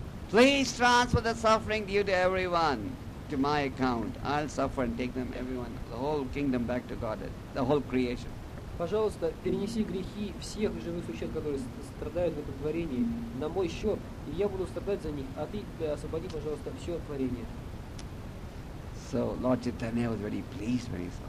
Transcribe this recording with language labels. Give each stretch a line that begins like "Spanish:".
English: Please transfer the suffering due to everyone to my account. I'll suffer and take them, everyone, the whole kingdom back to God, the whole creation.
Russian: Пожалуйста, перенеси грехи всех живых существ, которые страдают в этом творении, на мой счет, и я буду страдать за них, а ты освободи, пожалуйста, все творение.
English: So Lord Chaitanya was very pleased when he saw